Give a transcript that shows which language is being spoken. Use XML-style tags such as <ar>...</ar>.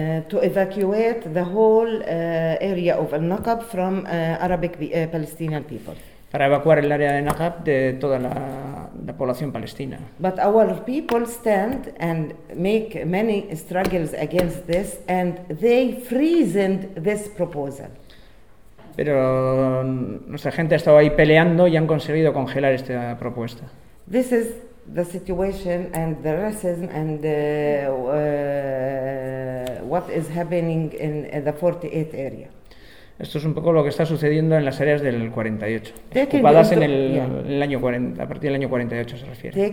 <en>To evacuate the whole area of Al-Naqab from Arabic Palestinian people.</en> <es>Para evacuar el área de Naqab de toda la población palestina.</es> <en>But our people stand and make many struggles against this, and they freezed this proposal.</en> <es>Pero nuestra gente ha estado ahí peleando y han conseguido congelar esta propuesta.</es> <en>This is the situation and the racism and what is happening in the 48 area.</en> <es>Esto es un poco lo que está sucediendo en las áreas del 48, ocupadas en el año 40, a partir del año 48 se refiere.</es>